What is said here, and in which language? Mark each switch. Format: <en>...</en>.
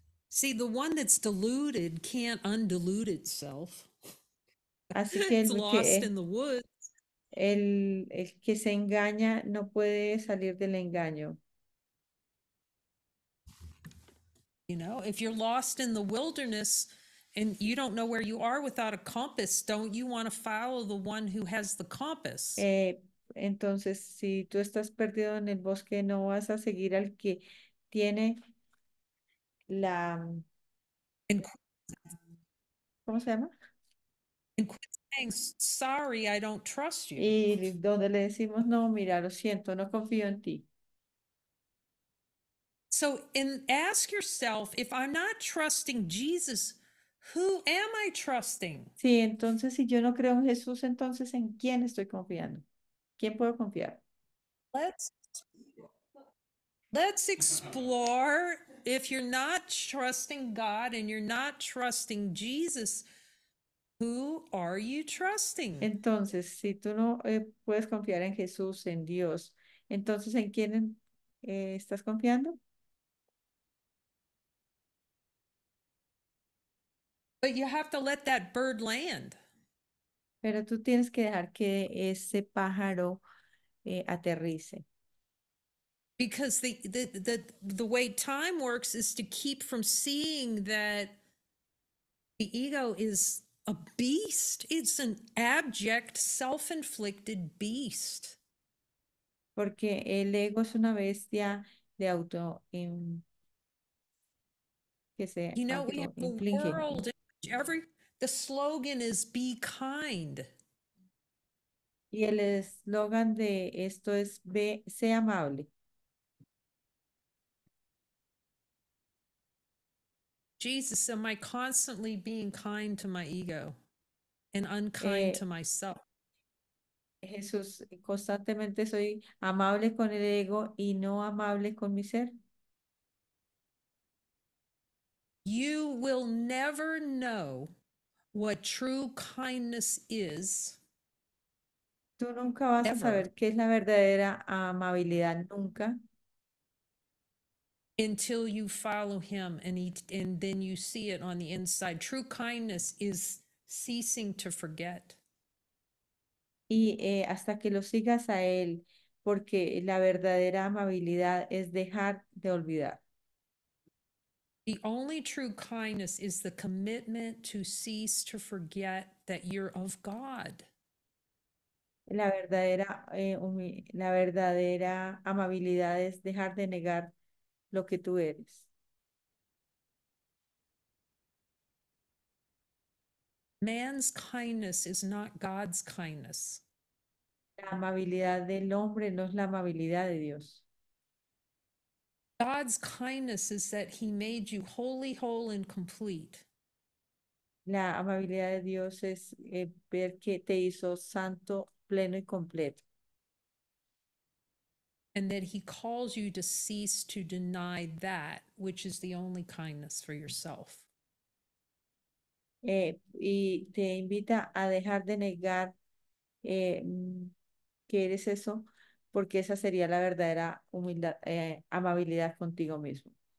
<en>See, the one that's deluded can't undelude itself.</en> <es>Así que</es> <en>It's</en> <es>el</es> <en>lost</en> <es>que</es> <en>in the woods.</en> <es>El que se engaña no puede salir del engaño.</es> <en>You know, if you're lost in the wilderness And you don't know where you are without a compass. Don't you want to follow the one who has the compass?</en> <es>Entonces, si tú estás perdido en el bosque, no vas a seguir al que tiene la... ¿Cómo se llama?</es> <en>Sorry, I don't trust you.</en> <es>Y donde le decimos, no, mira, lo siento, no confío en ti.</es> <en>So, and ask yourself, if I'm not trusting Jesus, who am I trusting?</en> <es>Sí, entonces, si yo no creo en Jesús, entonces, ¿en quién estoy confiando? ¿Quién puedo confiar?</es> <en>Let's explore, if you're not trusting God and you're not trusting Jesus, who are you trusting?</en> <es>Entonces, si tú no puedes confiar en Jesús, en Dios, entonces, ¿en quién estás confiando?</es> <en>But you have to let that bird land.</en> <es>Pero tú tienes que dejar que ese pájaro aterrice.</es> <en>Because the way time works is to keep from seeing that the ego is a beast. It's an abject, self-inflicted beast.</en> <es>Porque el ego es una bestia de auto que se</es> <en>You know, we have</en> <es>autoinflige.</es> <en>The slogan is be kind.</en> <es>Y el eslogan de esto es ve, sé amable.</es> <en>Jesus, am I constantly being kind to my ego and unkind to myself?</en> <es>Jesús, constantemente soy amable con el ego y no amable con mi ser.</es> <en>You will never know what true kindness is.</en> <es>Tú nunca vas a saber qué es la verdadera amabilidad, nunca.</es> <en>Until you follow him and then you see it on the inside. True kindness is ceasing to forget.</en> <es>Y hasta que lo sigas a él, porque la verdadera amabilidad es dejar de olvidar.</es> <en>The only true kindness is the commitment to cease to forget that you're of God.</en> <es>La verdadera amabilidad es dejar de negar lo que tú eres.</es> <en>Man's kindness is not God's kindness.</en> <es>La amabilidad del hombre no es la amabilidad de Dios.</es> <en>God's kindness is that he made you wholly, whole and complete.</en> <es>La amabilidad de Dios es ver que te hizo santo, pleno y completo.</es> <en>And that he calls you to cease to deny that which is the only kindness for yourself.</en> <es>Y te invita a dejar de negar que eres eso. Porque esa sería la verdadera humildad, amabilidad contigo mismo.</es>